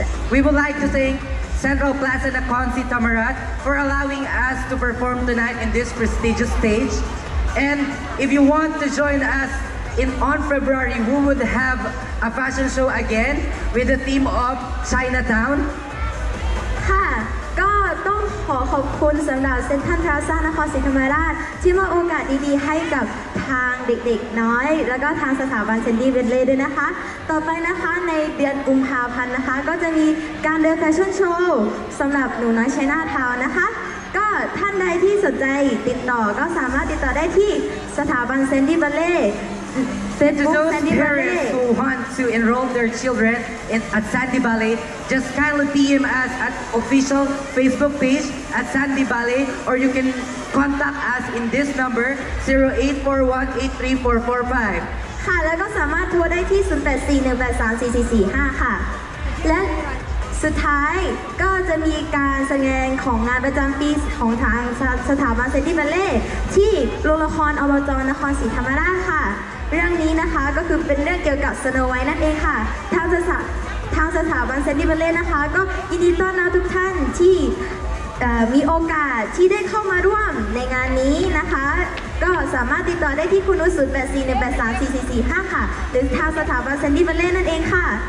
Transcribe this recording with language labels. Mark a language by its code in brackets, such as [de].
[en] We would like to thank Central Plaza and Aconcy Tamarat for allowing us to perform tonight in this prestigious stageAnd if you want to join us in on February, we would have a fashion show again with the theme of Chinatown. [th] ค่ะก็ต้องขอขอบคุณสำหรับเซ็นทรัลพลาซ่านครศรีธรรมราชที่มอบโอกาสดีๆให้กับทางเด็กๆน้อยแล้วก็ทางสถาบันเซนดี้เบนเล่ด้วยนะคะต่อไปนะคะในเดือนกุมภาพันธ์นะคะก็จะมีการเดินแฟชั่นโชว์สำหรับหนูน้อยChinatownนะคะก็ท่านใดที่สนใจติดต่อก็สามารถติดต่อได้ที่สถาบันเซนดี้บัลเล่ Facebook [en] Sandy Ballet who want to enroll their children in at Sandy Ballet just kindly DM us at official Facebook page at Sandy Ballet or you can contact us in this number 0841834445 [th] ค่ะแล้วก็สามารถโทรได้ที่0841834445ค่ะและสุดท้ายก็จะมีการแสดงของงานประจำปีของทางสถาบันเซนตี้บัลเล่ที่โรงละครอบจ. นครศรีธรรมราชค่ะเรื่องนี้นะคะก็คือเป็นเรื่องเกี่ยวกับสโนว์ไวท์นั่นเองค่ะทางสถาบันเซนตี้บัลเล่นะคะก็ยินดีต้อนรับทุกท่านที่มีโอกาสที่ได้เข้ามาร่วมในงานนี้นะคะก็สามารถติดต่อได้ที่คุณอุ0841834445ค่ะหรือทางสถาบันเซนตี้บัลเล่นั่นเองค่ะ